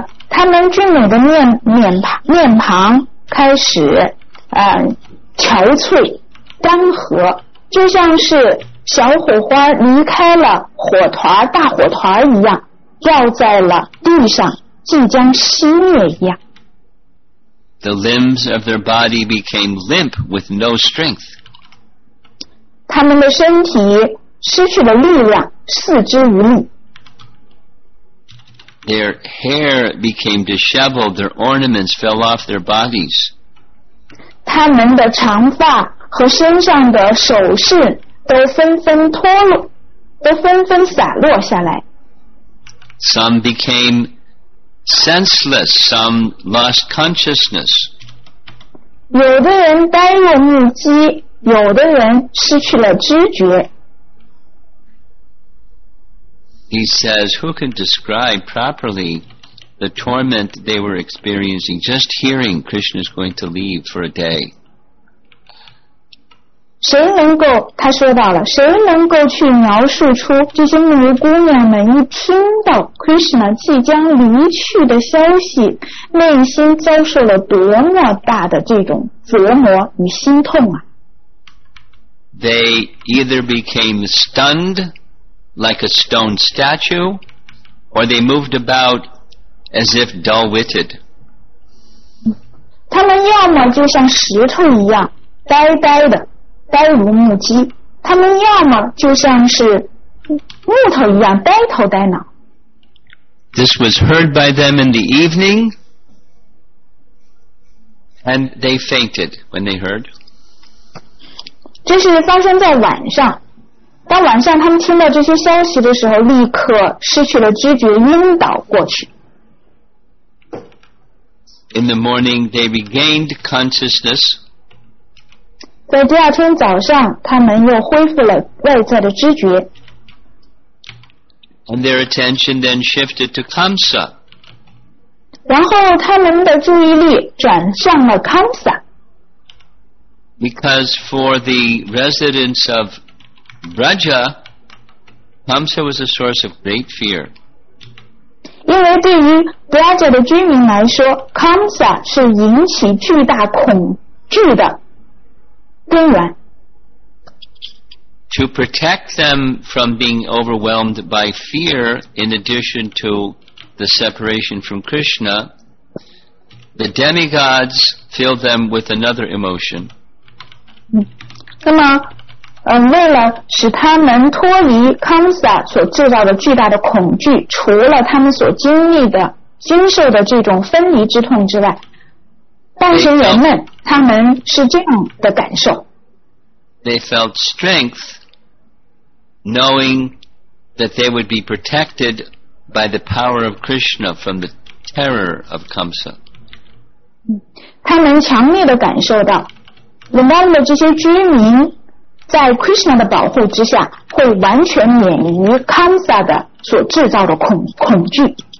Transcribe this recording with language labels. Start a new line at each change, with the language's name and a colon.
Chinese: 他们俊美的面庞开始憔悴干涸，就像是小火花离开了火团大火团一样，掉在了地上即将熄灭一样。
English: The limbs of their body became limp with no strength.
Chinese: 他们的身体失去了力量，四肢无力。
English: Their hair became disheveled, their ornaments fell off their bodies.
Chinese: 他们的长发和身上的首饰都纷纷脱落，都纷纷散落下来。
English: Some became senseless, some lost consciousness.
Chinese: 有的人呆若木鸡，有的人失去了知觉。
English: He says, who can describe properly the torment they were experiencing just hearing Krishna is going to leave for a day?
Chinese: 谁能够他说到了谁能够去描述出这些女姑娘们一听到 Krishna 即将离去的消息内心遭受了多么大的这种折磨与心痛啊。
English: They either became stunned like a stone statue or they moved about as if dull-witted.
Chinese: 他们要么就像石头一样呆呆的呆如木鸡，他们要么就像是木头一样呆头呆脑。
English: This was heard by them in the evening, and they fainted when they heard.
Chinese: 这是发生在晚上，当晚上他们听到这些消息的时候，立刻失去了知觉，晕倒过去。
English: In the morning, they regained consciousness.
Chinese: 在第二天早上他们又恢复了外在的知觉。
English: And their attention then shifted to Kamsa.
Chinese: 然后他们的注意力转向了 Kamsa.
English: Because for the residents of Braja, Kamsa was a source of great fear.
Chinese: 因为对于 Braja 的居民来说 Kamsa 是引起巨大恐惧的根源。
English: To protect them from being overwhelmed by fear, in addition to the separation from Krishna, the demigods filled them with another emotion.
Chinese: 那么为了使他们脱离 Kamsa 所制造的巨大的恐惧，除了他们所经受的这种分离之痛之外，半神人们他们是这样的感受。
English: They felt strength knowing that they would be protected by the power of Krishna from the terror of Kamsa.
Chinese: 他们强烈地感受到 Vrindavan 的这些居民在 Krishna 的保护之下会完全免于 Kamsa 的所制造的恐惧。